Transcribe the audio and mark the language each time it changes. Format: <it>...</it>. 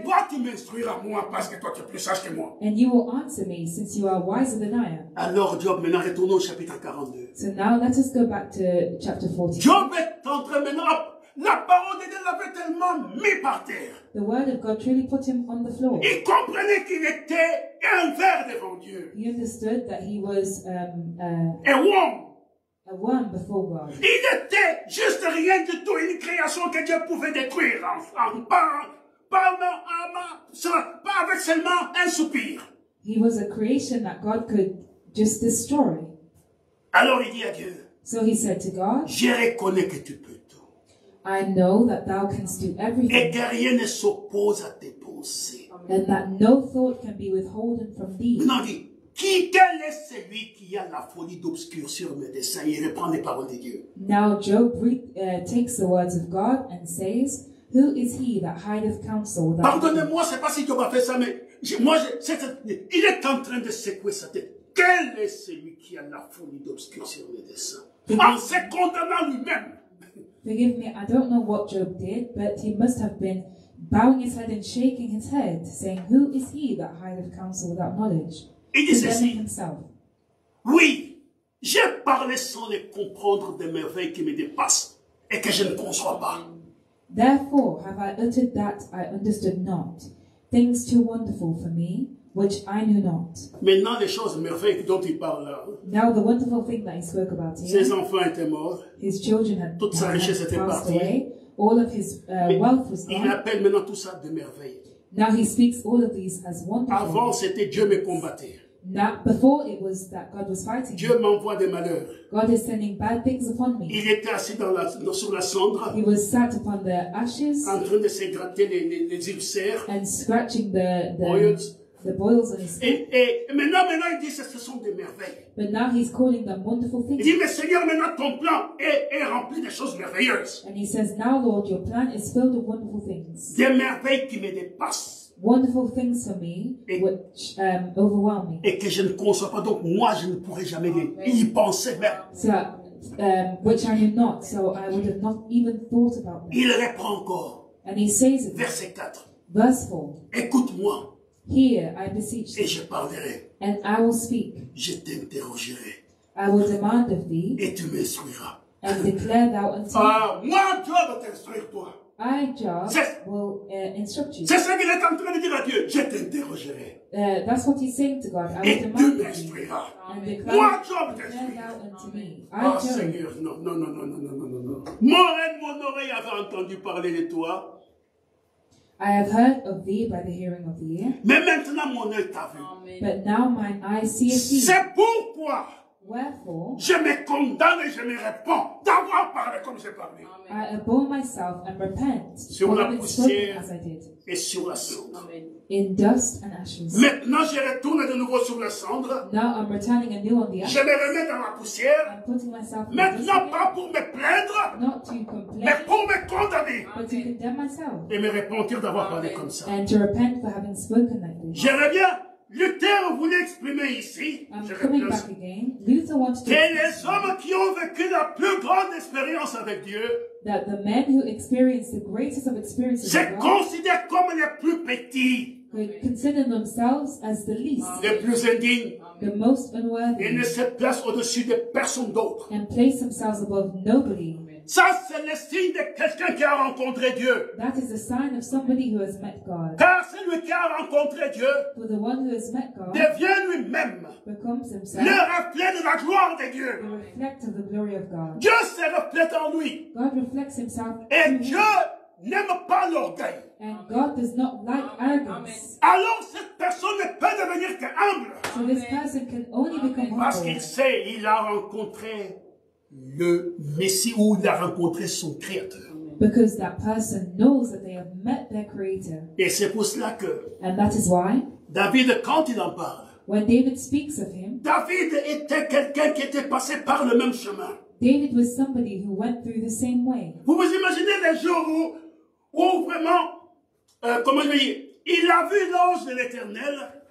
<fr>Et toi, tu m'instruiras moi parce que toi, tu es plus sage que moi.</fr> <en>And you will answer me since you are wiser than I am.</en> <fr>Alors, Job, maintenant, retournons au chapitre 42.</fr> <en>So now, let us go back to chapter 42.</en> <fr>Job est en train maintenant. La parole de Dieu l'avait tellement mis par terre.</fr> <en>The word of God truly put him on the floor.</en> <fr>Il comprenait qu'il était un ver devant Dieu.</fr> <en>He understood that he was a worm. A worm before God.</en> <fr>Il n'était juste rien du tout, une création que Dieu pouvait détruire pas avec seulement un soupir.</fr> <en>He was a creation that God could just destroy.</en> <fr>Alors il dit à Dieu,</fr> <en>so he said to God,</en> <fr>je reconnais que tu peux.</fr> <en>I know that thou canst do everything.</en> <fr>Et que rien ne s'oppose à tes pensées.</fr> <en>And that no thought can be withholden from thee.</en> <fr>Non, dit, qui quel est celui qui a la folie d'obscurcir mes desseins? Il reprend les paroles de Dieu.</fr> <en>Now Job takes the words of God and says, who is he that hideth counsel?</en> <fr>Pardonnez-moi, c'est pas si Job a fait ça, mais il est en train de secouer sa tête. Quel est celui qui a la folie d'obscurcir mes desseins? En se condamnant lui-même.</fr> <en>Forgive me, I don't know what Job did, but he must have been bowing his head and shaking his head, saying, who is he that hideth counsel without knowledge?</en> <fr>Il dit ceci.</fr> <en>Himself.</en> <fr>Oui, j'ai parlé sans les comprendre des merveilles qui me dépassent et que je ne conçois pas.</fr> <en>Therefore, have I uttered that I understood not, things too wonderful for me, which I knew not.</en> <fr>Maintenant, les choses merveilleuses dont il parle.</fr> <en>Now the wonderful thing that he spoke about here.</en> <fr>Ses enfants étaient morts.</fr> <en>His children had</en> <fr>toute sa richesse était passed partie.</fr> <en>Away. All of his wealth was gone.</en> <fr>Il appelle maintenant tout ça de merveille.</fr> <en>Now he speaks all of these as wonderful.</en> <fr>Avant, c'était Dieu me combattait.</fr> <en>Now, before it was that God was fighting.</en> <fr>Dieu m'envoie des malheurs.</fr> <en>God is sending bad things upon me.</en> <fr>Il était assis dans la, sur la cendre.</fr> <en>He was sat upon the ashes.</en> <fr>En train de se gratter les ulcères.</fr> <en>And scratching the boils. The boils on his skin.</en> <fr>Et maintenant, il dit que ce sont des merveilles.</fr> <en>But now he's calling them wonderful things.</en> <fr>Il dit, mais Seigneur, maintenant ton plan est rempli de choses merveilleuses.</fr> <en>And he says, now Lord, your plan is filled with wonderful things.</en> <fr>Des merveilles qui me dépassent.</fr> <en>Wonderful things for me, which overwhelm me.</en> <fr>Et que je ne conçois pas, donc moi je ne pourrais jamais y penser même.</fr> <en>So, which I knew not, so I would have not even thought about</en> <fr>that. Il reprend encore.</fr> <en>And he says it.</en> <fr>Verset 4.</fr> <en>Verse 4.</en> <fr>Écoute-moi.</fr> <en>Hear, I beseech thee.</en> <fr>Et je parlerai.</fr> <en>And I will speak.</en> <fr>Je t'interrogerai.</fr> <en>I will demand of thee.</en> <fr>Et tu m'instruiras.</fr> <en>And declare thou unto</en> <fr>me. Moi, Dieu va t'instruire toi.</fr> <en>I, Jah, will instruct you.</en> <fr>C'est ça qu'il est en train de dire à Dieu. Je t'interrogerai.</fr> <en>That's what he's saying to God. I</en> <fr>et</fr> <en>will demand</en> <fr>tu m'instruiras. Moi, Jah, t'instruis. Oh, Seigneur, non. Mon reine, mon oreille avait entendu parler de toi.</fr> <en>I have heard of thee by the hearing of the ear.</en> <fr>Mais maintenant, mon œil t'a vu.</fr> <en>But now my eye sees thee.</en> <fr>C'est pourquoi.</fr> <en>Wherefore,</en> <fr>je me condamne et je me repens d'avoir parlé comme j'ai parlé.</fr> <en>I abhor myself and repent.</en> <fr>Sur la poussière</fr> <en>as I did.</en> <fr>Et sur la cendre.</fr> <en>In dust and ashes.</en> <fr>Maintenant, je retourne de nouveau sur la cendre.</fr> <en>Now I'm returning anew on the ashes.</en> <fr>Je me remets dans la poussière.</fr> <en>I'm putting myself in</en> <fr>maintenant,</fr> <en>the dust</en> <fr>pas pour me plaindre.</fr> <en>Not to complain.</en> <fr>Mais pour me condamner.</fr> <en>But to condemn myself.</en> <fr>Et me repentir d'avoir parlé comme ça.</fr> <en>And to repent for having spoken like this.</en> <fr>Je reviens. Luther voulait exprimer ici. Que les hommes qui ont vécu la plus grande expérience avec Dieu.</fr> <en>That the men who experienced the greatest of experiences.</en> <fr>Se considèrent comme les plus petits.</fr> <en>They consider themselves as the least.</en> <fr>Les plus indignes.</fr> <en>The most unworthy.</en> <fr>Et ne se placent au-dessus de personne d'autre.</fr> <en>And place themselves above nobody.</en> <fr>Ça, c'est le signe de quelqu'un qui a rencontré Dieu.</fr> <en>That is a sign of somebody who has met God.</en> <fr>Car celui qui a rencontré Dieu,</fr> <en>for the one who has met God,</en> <fr>devient lui-même,</fr> <en>becomes himself,</en> <fr>le reflet de la gloire de Dieu.</fr> <en>The reflect of the glory of God.</en> <fr>Dieu se reflète en lui.</fr> <en>God reflects himself.</en> <fr>Et Dieu n'aime pas l'orgueil.</fr> <en>And God does not like arrogance.</en> <fr>Alors cette personne ne peut devenir que humble.</fr> <en>So this person can only become humble.</en> <fr>Parce qu'il sait, il a rencontré le Messie où il a rencontré son Créateur.</fr> <en>Because that person knows that they have met their Creator.</en> <fr>Et c'est pour cela que.</fr> <en>And that is why.</en> <fr>David, quand il en parle.</fr> <en>When David speaks of him.</en> <fr>David était quelqu'un qui était passé par le même chemin.</fr> <en>David was somebody who went through the same way.</en> <fr>Vous vous imaginez les jours où vraiment, comment je dis, il a vu l'ange de l'Éternel.</fr>